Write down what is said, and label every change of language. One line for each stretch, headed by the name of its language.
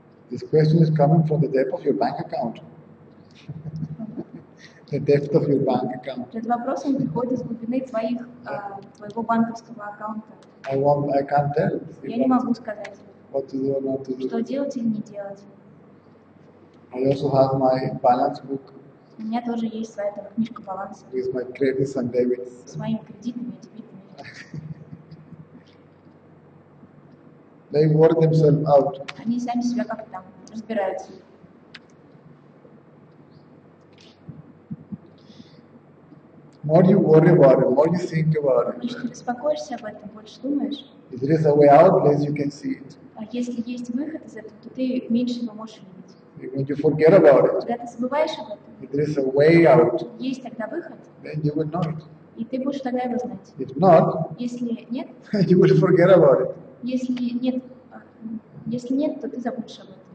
English: This question is coming from the depth of your bank account. The depth of your bank account.
Russian: Этот вопрос приходит из глубины твоего банковского аккаунта.
English: I can't tell.
Russian: Я не могу сказать.
English: What to do or not to do.
Russian: Что делать или не делать.
English: I also have my balance book.
Russian: У меня тоже есть своя там книжка баланса.
English: With my credits and debits.
Russian: С моими кредитами и дебетами.
English: They work themselves out.
Russian: Они сами себя как-то там разбираются.
English: More you worry about it, more you think about it.
Russian: Если ты беспокоишься об этом, больше думаешь.
English: If there is a way out, less you can see it.
Russian: А если есть выход из этого, то ты меньше его можешь видеть.
English: When you forget about it.
Russian: Когда ты забываешь об этом.
English: If there is a way out.
Russian: Есть тогда выход.
English: Then you will know it.
Russian: И ты будешь тогда его знать.
English: If not.
Russian: Если нет.
English: You will forget about it.
Russian: Если нет, то ты забудешь об этом.